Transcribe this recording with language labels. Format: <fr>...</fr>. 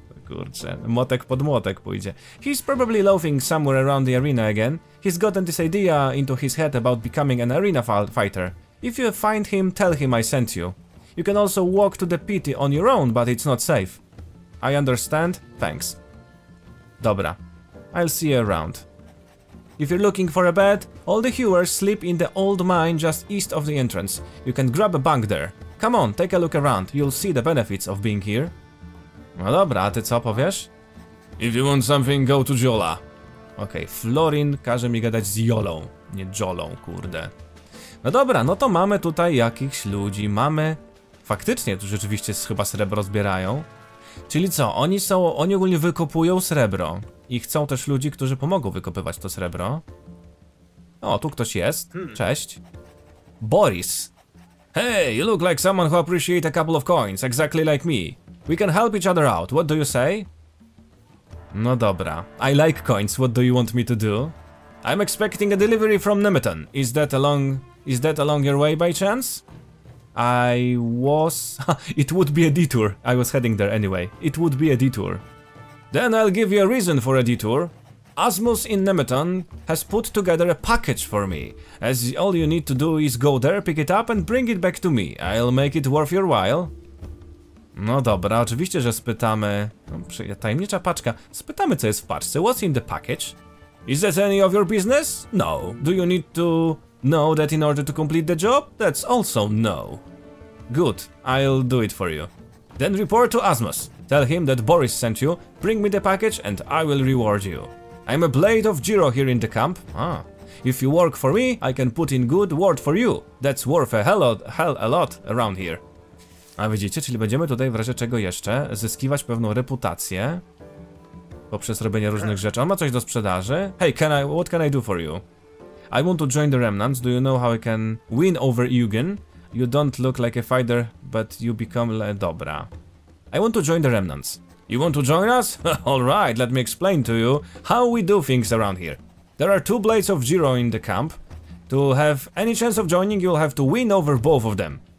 <pl>Kurczę, Motek pod Motek pójdzie.</pl> <en>He's probably loafing somewhere around the arena again. He's gotten this idea into his head about becoming an arena fighter. If you find him, tell him I sent you. You can also walk to the pit on your own, but it's not safe. I understand, thanks. Dobra, I'll see you around. If you're looking for a bed, all the hewers sleep in the old mine just east of the entrance. You can grab a bunk there. Come on, take a look around, you'll see the benefits of being here.</en> <pl>No dobra, a ty co powiesz?</pl> <en>If you want something, go to Jola.</en> <pl>Okej, okay, Florin każe mi gadać z Jolą, nie Jolą, kurde. No dobra, no to mamy tutaj jakichś ludzi, mamy... Faktycznie, tu rzeczywiście chyba srebro zbierają. Czyli co, oni ogólnie wykopują srebro. i chcą też ludzi, którzy pomogą wykopywać to srebro. O, tu ktoś jest. Cześć. Boris.</pl> <en>Hey, you look like someone who appreciate a couple of coins, exactly like me. We can help each other out, what do you say?</en> <pl>No dobra.</pl> <en>I like coins, what do you want me to do? I'm expecting a delivery from Nemeton. Is that along your way by chance? I was... It would be a detour. I was heading there anyway. It would be a detour. Then I'll give you a reason for a detour. Asmus in Nemeton has put together a package for me. As all you need to do is go there, pick it up and bring it back to me. I'll make it worth your while. No dobra, oczywiście, że spytamy... tajemnicza paczka. Spytamy, co jest w paczce. What's in the package? Is that any of your business? No. Do you need to know that in order to complete the job? That's also no. Good. I'll do it for you. Then report to Asmus. Tell him that Boris sent you. Bring me the package and I will reward you. I'm a blade of Jiro here in the camp. Ah. If you work for me, I can put in good word for you. That's worth a hell of a lot around here.</en> <pl>A widzicie, czyli będziemy tutaj w razie czego jeszcze zyskiwać pewną reputację poprzez robienie różnych rzeczy. On ma coś do sprzedaży.</pl> <en>Hey, what can I do for you? I want to join the Remnants. Do you know how I can win over Eugen? You don't look like a fighter, but you become dobra. I want to join the Remnants. You want to join us? All right, let me explain to you how we do things around here. There are two blades of Jiro in the camp. To have any chance of joining, you'll have to win over both of them.</en>